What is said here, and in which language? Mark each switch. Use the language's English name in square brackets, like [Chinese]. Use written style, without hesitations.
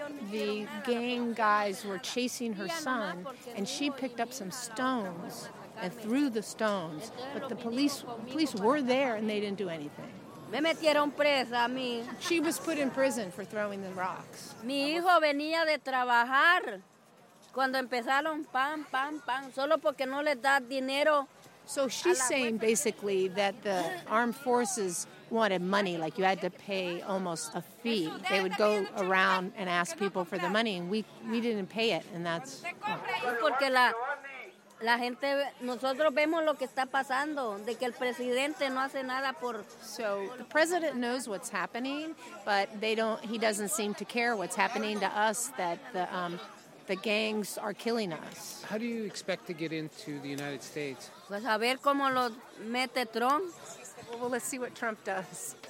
[English] The gang guys were chasing her son, and she picked up some stones and threw the stones. But the police were there, and they didn't do anything. [Spanish] Me metieron presa a mí. [English] She was put in prison for throwing the rocks. [Spanish] Mi hijo venía de trabajar cuando empezaron pam pam pam solo porque no les da dinero. [English] So she's saying basically that the armed forces wanted money, like you had to pay almost a fee. They would go around and ask people for the money, and we didn't pay it, and that's... [Spanish] Porque la gente, nosotros vemos lo que está pasando, de que el presidente no hace nada por... [English] So the president knows what's happening, but he doesn't seem to care what's happening to us, that the gangs are killing us. How do you expect to get into the United States? [Spanish] Pues a ver cómo lo mete Trump. [English] Well, let's see what Trump does.